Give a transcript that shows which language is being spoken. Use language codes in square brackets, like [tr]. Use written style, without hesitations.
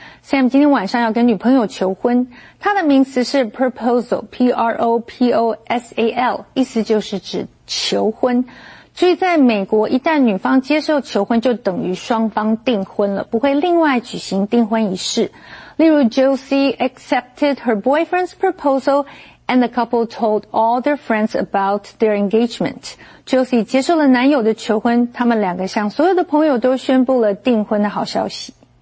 [zh] Sam 今天晚上要跟女朋友求婚，他的名词是 proposal,P-R-O-P-O-S-A-L, 意思就是指求婚。所以在美国，一旦女方接受求婚，就等于双方订婚了，不会另外举行订婚仪式。例如 [en] Josie accepted her boyfriend's proposal, and the couple told all their friends about their engagement. [zh] Josie 接受了男友的求婚，他们两个向所有的朋友都宣布了订婚的好消息。